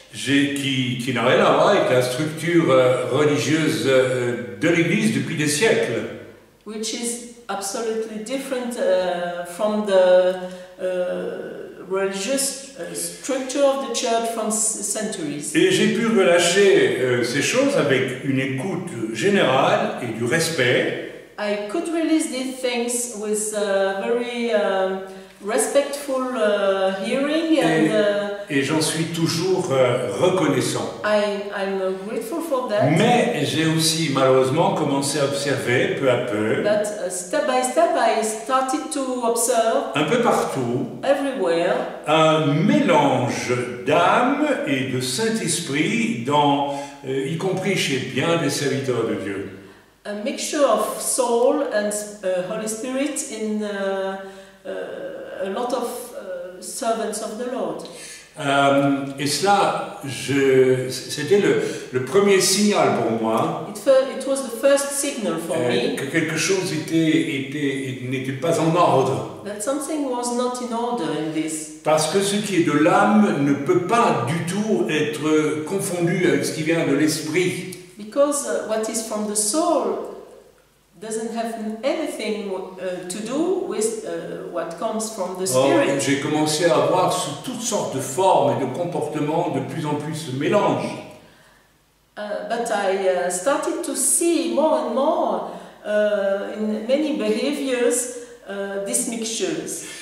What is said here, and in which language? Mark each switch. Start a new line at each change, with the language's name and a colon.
French: Qui n'a rien à voir avec la structure religieuse de l'Église depuis des siècles.
English: Which is absolutely different from the religious structure of the church from centuries.
French: Et j'ai pu relâcher ces choses avec une écoute générale et du respect.
English: I could release these things with a very respectful hearing and.
French: Et j'en suis toujours reconnaissant.
English: I'm grateful for that.
French: Mais j'ai aussi malheureusement commencé à observer peu à peu.
English: But step by step, I started to observe.
French: Un peu partout.
English: Everywhere.
French: Un mélange d'âme et de Saint-Esprit dans, y compris chez bien des serviteurs de Dieu.
English: A mixture of soul and Holy Spirit in a lot of servants of the Lord.
French: Et cela, c'était le premier signal pour moi.
English: It was the first signal for me.
French: Que quelque chose n'était pas en ordre.
English: That something was not in order in this.
French: Parce que ce qui est de l'âme ne peut pas du tout être confondu avec ce qui vient de l'esprit.
English: Because what is from the soul doesn't have anything to do with what comes from the spirit.
French: J'ai commencé à voir sous toutes sortes de formes et de comportements de plus en plus ce mélange.
English: But I started to see more and more in many behaviors these mixtures.